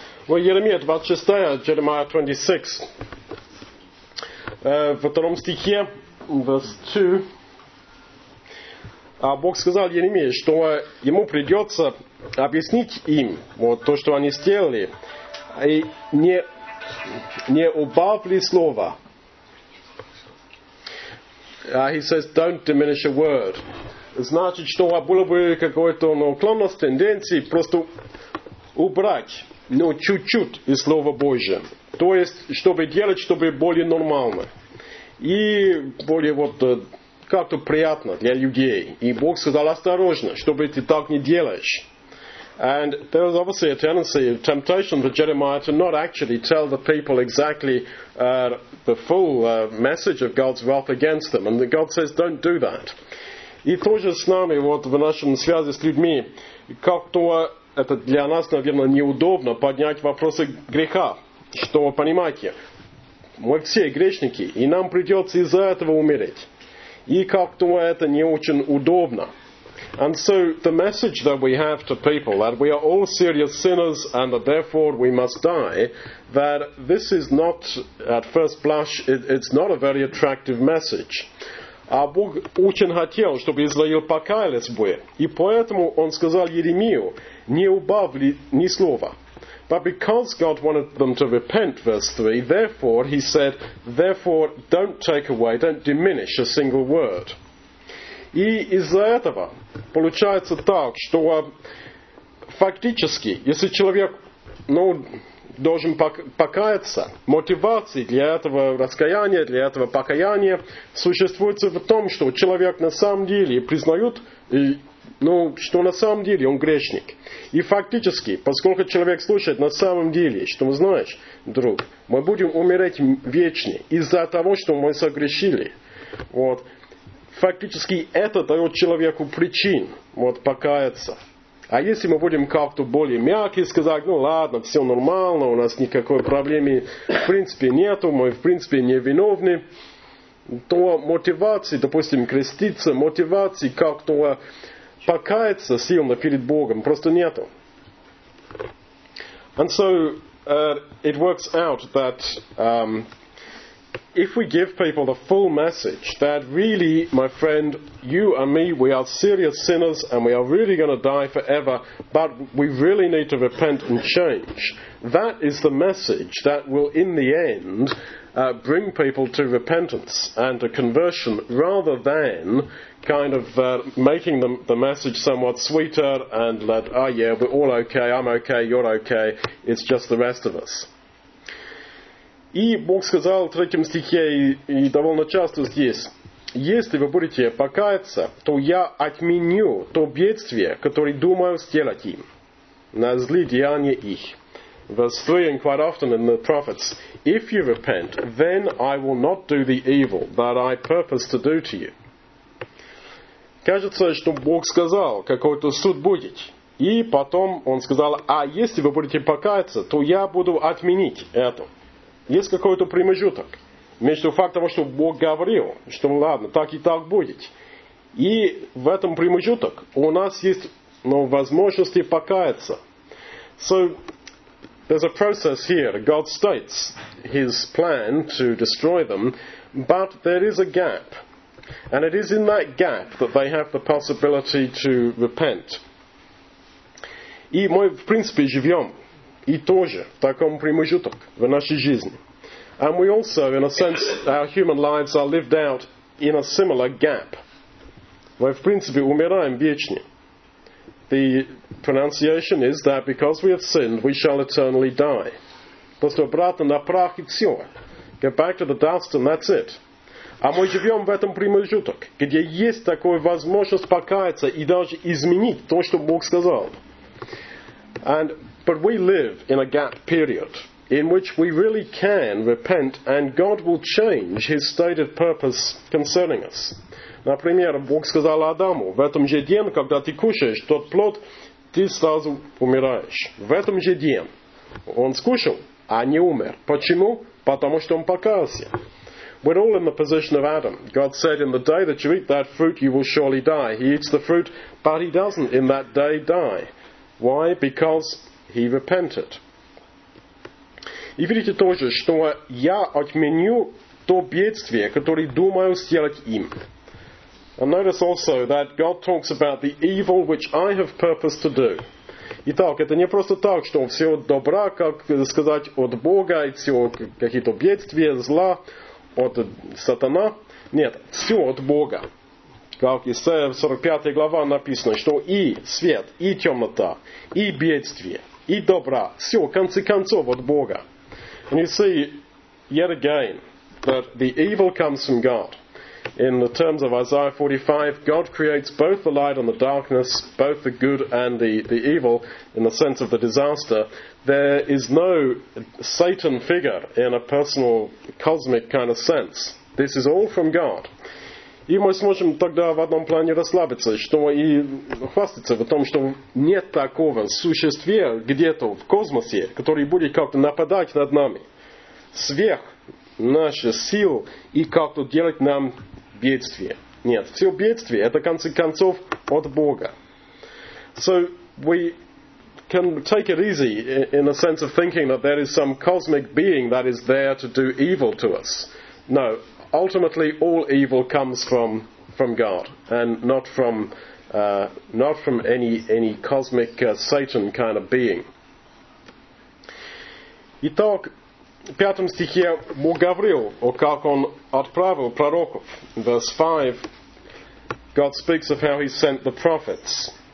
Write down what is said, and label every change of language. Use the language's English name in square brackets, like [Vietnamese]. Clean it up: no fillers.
[Russian] Во Јеремија 26, Јеремија 26, во втором стихе, [English] verse 2, [Russian] Бог сказал Јеремија, што ему придется објаснить им вот, то, што они сделали, и не убавили слова. [English] He says, don't diminish a word. [Russian] Значит, что было бы какой-то уклонность, тенденции просто убрать, ну, чуть-чуть из Слова Божия. То есть, чтобы делать, чтобы более нормально. И более вот как-то приятно для людей. И Бог сказал осторожно, чтобы ты так не делаешь. [English] And there was obviously a tendency, a temptation for Jeremiah to not actually tell the people exactly the full message of God's wrath against them. And God says, don't do that. [Russian] И тоже с нами, вот в нашем связи с людьми, как-то это для нас, наверное, неудобно поднять вопросы греха. Что вы понимаете? Мы все грешники, и нам придется из-за этого умереть. И как-то это не очень удобно. [English] And so the message that we have to people, that we are all serious sinners and that therefore we must die, that this is not, at first blush, it's not a very attractive message. [Russian] А Бог очень хотел, чтобы Израил покаялись бы. И поэтому он сказал Еремию, не убавь ни слова. [English] But because God wanted them to repent, verse 3, therefore, he said, therefore, don't take away, don't diminish a single word. [Russian] И из-за этого получается так, что фактически, если человек должен покаяться, мотивации для этого раскаяния, для этого покаяния существует в том, что человек на самом деле признает, что на самом деле он грешник. И фактически, поскольку человек слушает на самом деле, что мы знаешь, друг, мы будем умирать вечно из-за того, что мы согрешили. Вот. Фактически это дает человеку причин покаяться. А если мы будем как-то более мягко сказать, ладно, все нормально, у нас никакой проблемы в принципе нету, мы в принципе не виновны, то мотивации, допустим, креститься, мотивации как-то покаяться сильно перед Богом просто нету. [English] And so it works out that if we give people the full message that really, my friend, you and me, we are serious sinners and we are really going to die forever, but we really need to repent and change. That is the message that will, in the end, bring people to repentance and to conversion rather than kind of making the message somewhat sweeter and that, we're all okay, I'm okay, you're okay, it's just the rest of us. [Russian] И Бог сказал в третьем стихе, и довольно часто здесь, если вы будете покаяться, то я отменю то бедствие, которое думаю сделать им, на зли деяния их. [English] Verse 3, and quite often in the prophets, if you repent, then I will not do the evil that I purpose to do to you. [Russian] Кажется, что Бог сказал, какой-то суд будет. И потом он сказал, а если вы будете покаяться, то я буду отменить это. Есть какой-то промежуток между фактом, что Бог говорил, что ладно, так и так будет. И в этом промежуток у нас есть возможности покаяться. [English] So, there's a process here. God states his plan to destroy them, but there is a gap. And it is in that gap that they have the possibility to repent. [Russian] И мы, в принципе, живем. И тоже в таком промежуток в нашей жизни. [English] And we also, in a sense, our human lives are lived out in a similar gap. [Russian] Мы, в принципе, умираем вечно. [English] The pronunciation is that because we have sinned, we shall eternally die. [Russian] Просто обратно на прах и все. [English] Get back to the dust and that's it. [Russian] А мы живем в этом промежуток, где есть такая возможность покаяться и даже изменить то, что Бог сказал. [English] And but we live in a gap period in which we really can repent and God will change his stated purpose concerning us. [Russian] Например, Бог сказал Адаму, в этом же день, когда ты кушаешь тот плод, ты сразу умираешь. В этом же день он скушал, а не умер. Почему? Потому что он покаялся. [English] We're all in the position of Adam. God said, in the day that you eat that fruit, you will surely die. He eats the fruit, but he doesn't in that day die. Why? Because he repented. [Russian] И видите тоже, что я отменю то бедствие, которое думаю сделать им. And notice also that God talks about the evil which I have purposed to do. Итак, это не просто так, что все добра, как сказать, от Бога, и все какие-то бедствия, зла от сатана. Нет, все от Бога. Как Исаия 45 глава написано, что и свет, и темнота, и бедствие, и добра, все, в конце концов, от Бога. [English] And you see, yet again, that the evil comes from God. In the terms of Isaiah 45, God creates both the light and the darkness, both the good and the evil, in the sense of the disaster. There is no Satan figure in a personal, cosmic kind of sense. This is all from God. [Russian] И мы сможем тогда в одном плане расслабиться, что и хвастаться в том, что нет такого существа где-то в космосе, который будет как-то нападать над нами, сверх наших сил и как-то делать нам бедствие. Нет, все бедствие это в конце концов от Бога. [English] So we can take it easy in the sense of thinking that there is some cosmic being that is there to do evil to us. No. Ultimately, all evil comes from God, and not from any cosmic Satan kind of being. [Russian] Итак, в пятом стихе Бог говорил, о как он отправил пророков. [English] Verse 5, God speaks of how he sent the prophets.